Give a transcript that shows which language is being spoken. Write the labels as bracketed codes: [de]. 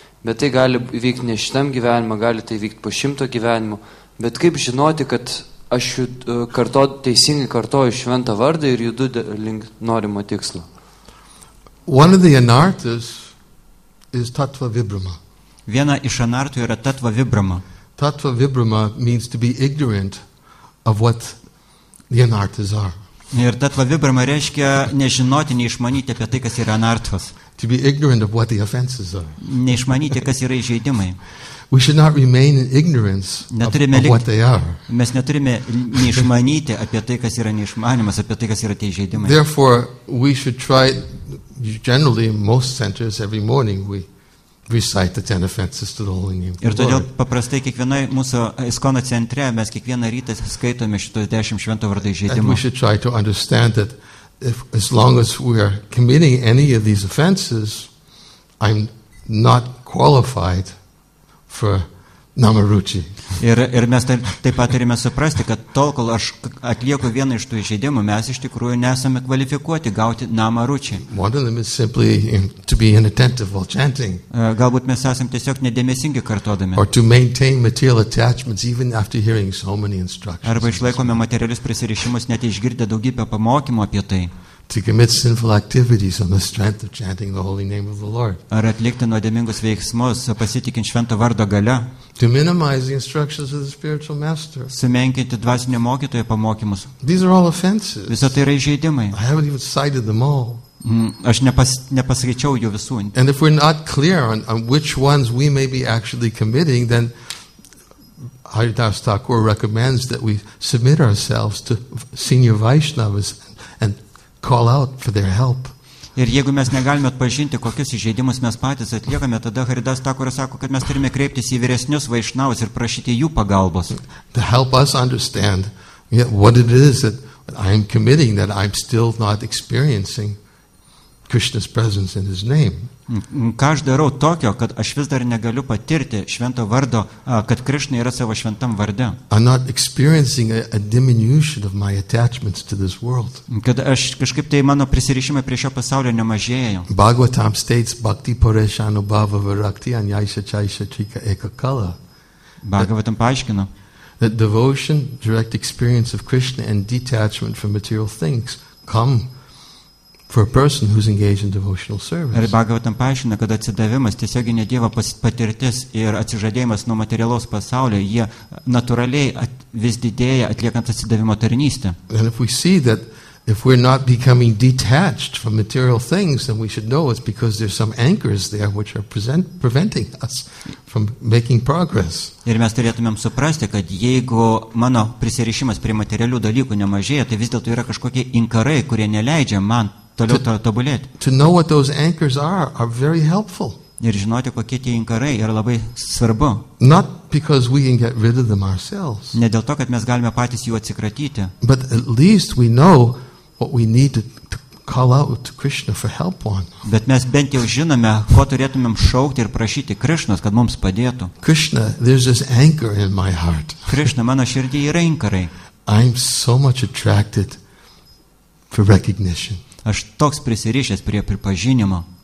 [lt] Bet tai gali vykti ne šitam gyvenimą, gali tai vykti po 100 gyvenimų. Bet kaip žinoti, kad aš teisingai kartoju šventą vardą ir judu link norimo tikslo? [en] One of the anartas is Tattva Vibhrama. [lt] Viena iš anartų yra Tattva Vibhrama. [en] Tattva Vibhrama means to be ignorant of what the anartas are. [lt] Ir Tattva Vibhrama reiškia nežinoti, neišmanyti apie tai, kas yra anartas. [en] To be ignorant of what the offenses are. [lt] Neišmanyti, kas yra įžeidimai. [en] We should not remain in ignorance of what they are. [lt] Mes neturime neišmanyti apie tai, kas yra neišmanimas, apie tai, kas yra tie įžeidimai. [en] Therefore, we should try, generally, most centers every morning, we recite the 10 offenses to the holy name of the Lord. [lt] Ir todėl paprastai kiekvienai mūsų iskono centre mes kiekvieną rytą skaitome šitos 10 švento vardo įžeidimų. [en] We should try to understand that if as long as we are committing any of these offenses, I'm not qualified for Namaruchi. [lt] Ir mes taip pat turime suprasti, kad tol, kol aš atlieku vieną iš tų įžeidimų, mes iš tikrųjų nesame kvalifikuoti gauti Namaruchi. [en] One of them is simply to be inattentive while chanting. [lt] Galbūt mes esam tiesiog nedėmesingi kartodami. [en] Or to maintain material attachments even after hearing so many instructions. [lt] Arba išlaikome materialius prisirišimus, net išgirdę daugybę pamokymų apie tai. [en] To commit sinful activities on the strength of chanting the holy name of the Lord. [lt] Ar atlikti nuodėmingus veiksmus, pasitikint švento vardo galia. [en] To minimize the instructions of the spiritual master. [lt] Sumenkinti dvasinio mokytojo pamokymus. [en] These are all offenses. [lt] Visa tai yra įžeidimai. [en] I haven't even cited them all. [lt] Aš nepasakyčiau jų visų. [en] And if we're not clear on which ones we may be actually committing, then Haridas Thakur recommends that we submit ourselves to senior Vaishnavas and call out for their help. [lt] Ir jeigu mes negalime atpažinti, kokius įžeidimus mes patys atliekame, tada Haridas Thakur sako, kad mes turime kreiptis į vyresnius Vaishnavas ir prašyti jų pagalbos. [en] To help us understand what it is that I'm committing that I'm still not experiencing Krishna's presence in his name. [lt] Ką aš darau tokio, kad aš vis dar negaliu patirti švento vardo, kad Krishna yra savo šventam varde. [en] I'm not experiencing a diminution of my attachments to this world. [lt] Kad aš kažkaip tai mano prisirišimai prie šio pasaulio nemažėjo. [sa] Bhagavatam states bhakti pureshanu bhava virakti anyaisa chaisa chika ekakala. [lt] Bhagavatam paaiškino. [en] That devotion, direct experience of Krishna and detachment from material things come for a person who's engaged in devotional service. [lt] Ir Bhagavatam paaiškina, kad atsidavimas, tiesioginė Dievo patirtis ir atsižadėjimas nuo materialaus pasaulio, jie natūraliai vis didėja atliekant atsidavimo tarnystę. [en] And if we see that if we're not becoming detached from material things, then we should know it's because there's some anchors there which are preventing us from making progress. [lt] Ir mes turėtumėm suprasti, kad jeigu mano prisirišimas prie materialių dalykų nemažėja, tai vis dėlto yra kažkokie inkarai, kurie neleidžia man toliau tobulėti. [en] To know what those anchors are very helpful. [lt] Ir žinoti, kokie tie inkarai yra labai svarbu. [en] Not because we can get rid of them ourselves. [lt] Ne dėl to, kad mes galime patys jų atsikratyti. [en] But at least we know what we need to call out to Krishna for help on. [lt] Bet mes bent jau žinome, ko turėtumėm šaukti ir prašyti Krishnos, kad mums padėtų. [en] Krishna, there's this anchor in my heart. [lt] Krishna, mano širdyje yra inkarai. [en] I'm so much attracted for recognition. [lt] Aš toks prisirišęs prie pripažinimo.